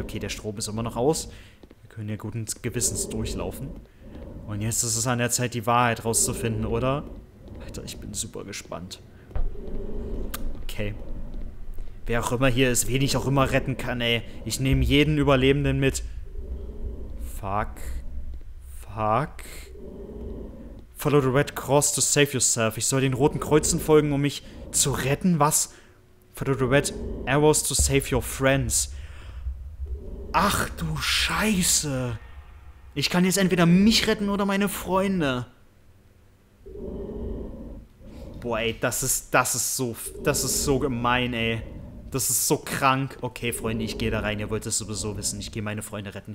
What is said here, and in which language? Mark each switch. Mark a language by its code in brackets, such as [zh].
[de] Okay, der Strom ist immer noch aus. Wir können ja guten Gewissens durchlaufen. Und jetzt ist es an der Zeit, die Wahrheit rauszufinden, oder? Alter, ich bin super gespannt. Okay. Wer auch immer hier ist, wen ich auch immer retten kann, ey. Ich nehme jeden Überlebenden mit. Fuck. Fuck. [en] Follow the Red Cross to save yourself. [de] Ich soll den roten Kreuzen folgen, um mich zu retten? Was? [en] Follow the Red Arrows to save your friends. [de] Ach du Scheiße. Ich kann jetzt entweder mich retten oder meine Freunde. Boah, ey, das ist so gemein, ey. Das ist so krank. Okay, Freunde, ich gehe da rein. Ihr wollt es sowieso wissen. Ich gehe meine Freunde retten.